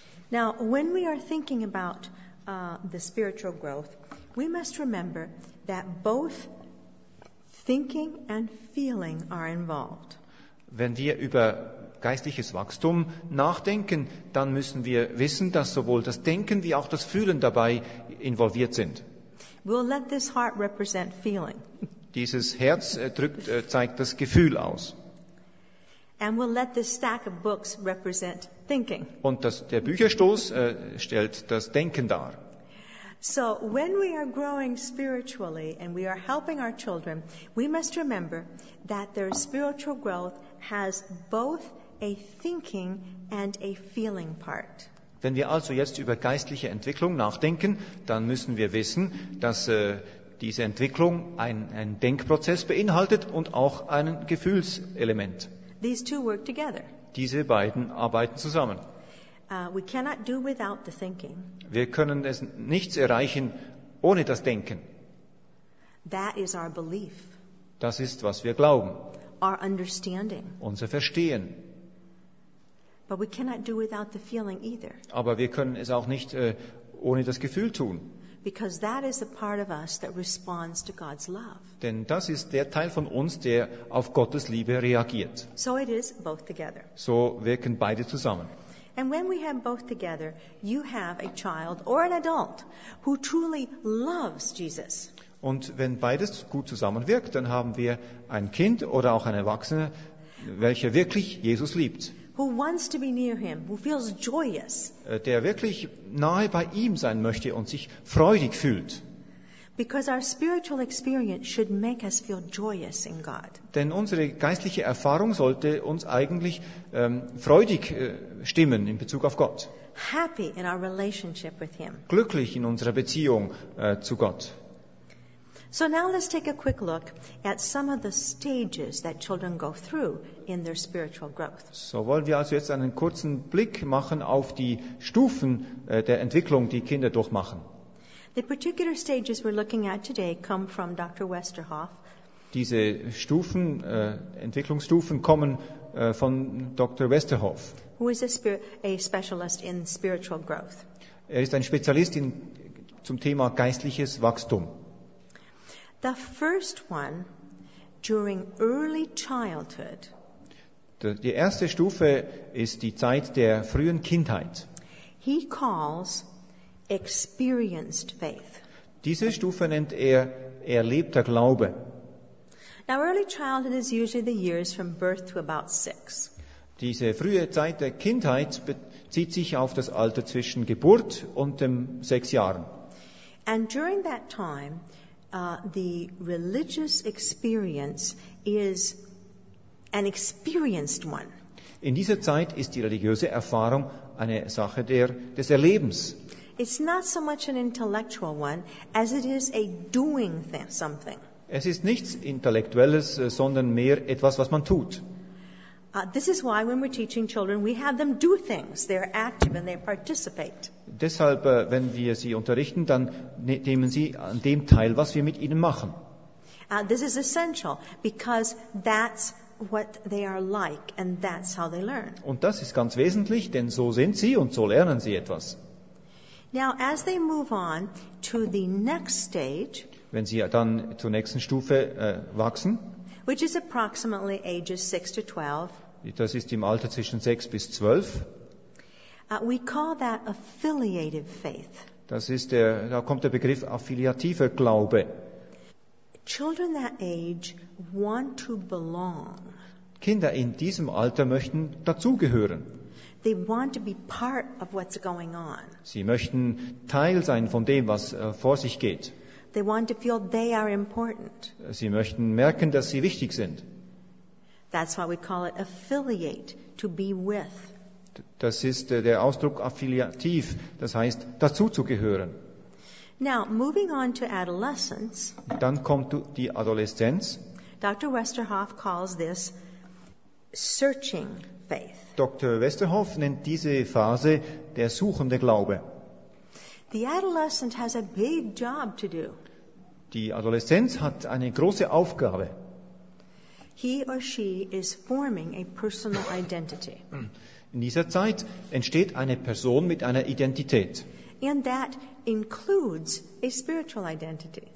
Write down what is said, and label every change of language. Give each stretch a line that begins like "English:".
English: Now, when we are thinking about the spiritual growth, we must remember that both thinking and feeling are involved.
German: Wenn wir über geistliches Wachstum nachdenken, dann müssen wir wissen, dass sowohl das Denken wie auch das Fühlen dabei involviert sind.
English: We'll let this heart represent feeling.
German: Dieses Herz drückt, zeigt das Gefühl aus.
English: And we'll let this stack of books represent thinking.
German: Und das, der Bücherstoß stellt das Denken dar.
English: So when we are growing spiritually and we are helping our children, we must remember that their spiritual growth has both a thinking and a feeling part.
German: Wenn wir also jetzt über geistliche Entwicklung nachdenken, dann müssen wir wissen, dass diese Entwicklung einen Denkprozess beinhaltet und auch ein Gefühlselement.
English: These two work together.
German: Diese beiden arbeiten zusammen.
English: We cannot do without the thinking.
German: Wir können es nichts erreichen ohne das Denken.
English: That is our belief.
German: Das ist, was wir glauben.
English: Our understanding.
German: Unser Verstehen.
English: But we cannot do without the feeling either.
German: Aber wir können es auch nicht ohne das Gefühl tun.
English: Because that is the part of us that responds to God's love.
German: Denn das ist der Teil von uns, der auf Gottes Liebe reagiert.
English: So it is both together.
German: So wirken beide zusammen.
English: And when we have both together, you have a child or an adult who truly loves Jesus.
German: Und wenn beides gut zusammenwirkt, dann haben wir ein Kind oder auch einen Erwachsenen, welcher wirklich Jesus liebt.
English: Who wants to be near him, who feels joyous.
German: Der wirklich nahe bei ihm sein möchte und sich freudig fühlt.
English: Because our spiritual experience should make us feel joyous in God.
German: Denn unsere geistliche Erfahrung sollte uns eigentlich freudig stimmen in Bezug auf Gott.
English: Happy in our relationship with him.
German: Glücklich in unserer Beziehung zu Gott.
English: So now let's take a quick look at some of the stages that children go through in their spiritual growth.
German: So wollen wir also jetzt einen kurzen Blick machen auf die Stufen der Entwicklung, die Kinder durchmachen.
English: The particular stages we're looking at today come from Dr. Westerhoff.
German: Diese Stufen, Entwicklungsstufen kommen von Dr. Westerhoff.
English: Who is a specialist in spiritual growth.
German: Er ist ein Spezialist in, zum Thema geistliches Wachstum.
English: The first one, during early childhood.
German: Die erste Stufe ist die Zeit der frühen Kindheit.
English: He calls experienced faith.
German: Diese Stufe nennt er erlebter Glaube.
English: Now, early childhood is usually the years from birth to about 6.
German: Diese frühe Zeit der Kindheit bezieht sich auf das Alter zwischen Geburt und dem 6 Jahren.
English: And during that time, the religious experience is an experienced one.
German: In dieser Zeit ist die religiöse Erfahrung eine Sache des Erlebens.
English: It's not so much an intellectual one as it is a doing something.
German: Es ist nichts Intellektuelles, sondern mehr etwas, was man tut.
English: This is why when we're teaching children, we have them do things. They're active and they participate.
German: Deshalb, wenn wir sie unterrichten, dann nehmen sie an dem Teil, was wir mit ihnen machen.
English: This is essential because that's what they are like and that's how they learn.
German: Und das ist ganz wesentlich, denn so sind sie und so lernen sie etwas.
English: Now, as they move on to the next stage,
German: wenn sie dann zur nächsten Stufe wachsen,
English: which is approximately ages 6 to 12,
German: das ist im Alter zwischen 6 bis 12,
English: we call that affiliative faith.
German: Das ist der, da kommt der Begriff affiliativer Glaube.
English: Children that age want to belong.
German: Kinder in diesem Alter möchten dazugehören.
English: They want to be part of what's going on.
German: Sie möchten Teil sein von dem, was vor sich geht.
English: They want to feel they are important.
German: Sie möchten merken, dass sie wichtig sind.
English: That's why we call it affiliate, to be with.
German: Das ist der Ausdruck affiliativ, das heißt dazuzugehören.
English: Now, moving on to adolescence.
German: Dann kommt die Adoleszenz.
English: Dr. Westerhoff calls this searching faith.
German: Dr. Westerhoff nennt diese Phase der suchende Glaube.
English: The adolescent has a big job to do.
German: Die Adoleszenz hat eine große Aufgabe.
English: He or she is forming a personal identity.
German: In dieser Zeit entsteht eine Person mit einer Identität.
English: And that includes a spiritual identity.